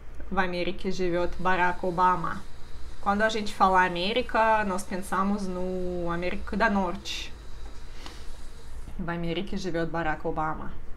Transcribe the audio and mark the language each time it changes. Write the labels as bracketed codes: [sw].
[ru] В Америке живет Барак Обама. [pt] Quando a gente fala América, nós pensamos no América do Norte. [ru] В Америке живет Барак Обама.